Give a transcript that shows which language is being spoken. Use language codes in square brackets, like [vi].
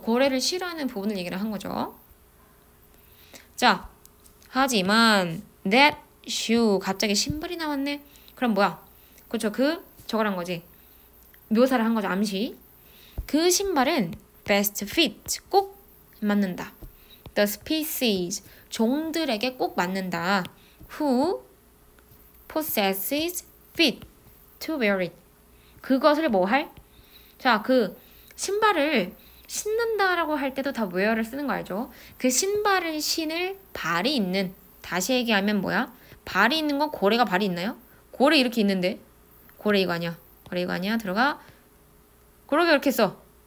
[ko] 고래를 싫어하는 부분을 얘기를 한 거죠. 자, 하지만 [en] that shoe [ko] 갑자기 신발이 나왔네. 그럼 뭐야? 그렇죠. 그 저거란 거지. 묘사를 한 거죠. 암시. 그 신발은 [en] best fit [ko] 꼭 맞는다. [en] The species [ko] 종들에게 꼭 맞는다. [en] Who possesses feet to wear it? [ko] 그것을 뭐 할? 자, 그 신발을 신는다라고 할 때도 다 wear를 쓰는 거 알죠? 그 신발을 신을 발이 있는. 다시 얘기하면 뭐야? 발이 있는 건 고래가 발이 있나요? 고래 이렇게 있는데. 고래 이거 아니야. 고래 이거 아니야. 들어가. 그렇게 이렇게 있어.